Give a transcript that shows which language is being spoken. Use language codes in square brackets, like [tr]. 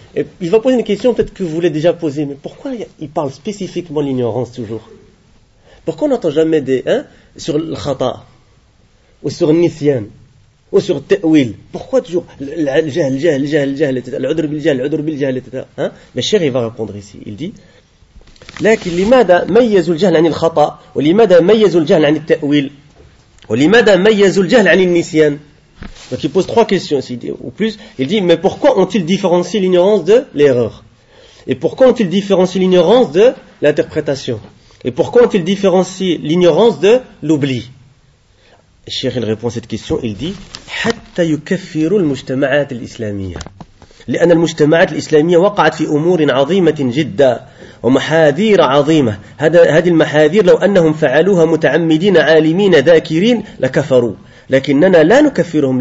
[fr] Et il va poser une question peut-être que vous l'avez déjà posée, mais pourquoi il parle spécifiquement de l'ignorance toujours? Pourquoi on n'entend jamais des sur le khata ou sur le nisyan? Ou sur ta'wil. Pourquoi toujours l'udr bil jahl, etc. Hein? Mais cher, il va répondre ici. Il dit, [ar] لكن لماذا ميز الجهل عن الخطأ ولماذا ميز الجهل عن التأويل ولماذا ميز الجهل عن النسيان. [fr] Donc il pose trois questions ici, ou plus. Il dit, mais pourquoi ont-ils différencié l'ignorance de l'erreur? Et pourquoi ont-ils différencié l'ignorance de l'interprétation? Et pourquoi ont-ils différencié l'ignorance de l'oubli? Cheikh, il répond à cette question, il dit, [ar] حَتَّى يُكَفِّرُوا الْمُجْتَمَعَاتِ الْإِسْلَامِيَةِ لِأَنَّ الْمُجْتَمَعَاتِ الْإِسْلَامِيَةِ وَقَعَتْ فِي أُمُورٍ عَظِيمَةٍ جِدًّا وَمَحَاذِيرَ عَظِيمَةٍ. هذه المحاذير لو أنهم فعلوها متعمدين عالمين ذاكرين لكفروا لكننا لا نكفرهم.